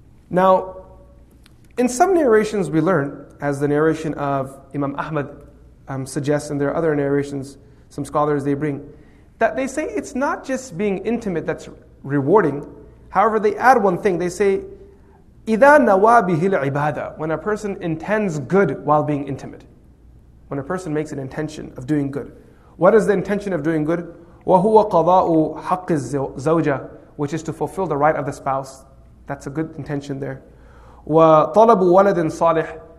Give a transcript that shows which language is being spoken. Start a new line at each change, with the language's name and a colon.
English: Now, in some narrations we learn, as the narration of Imam Ahmad suggests, and there are other narrations, some scholars they bring, that they say it's not just being intimate that's rewarding. However, they add one thing.
Arabic: They say, إِذَا نَوَى بِهِ الْعِبَادَةِ.
English: When a person intends good while being intimate. When a person makes an intention of doing good. What is the intention of doing good?
Arabic: وَهُوَ قَضَاءُ حَقِّ الزَّوْجَةِ.
English: Which is to fulfill the right of the spouse. That's a good intention there.
Arabic: وَطَلَبُ وَلَدٍ صَالِحٍ.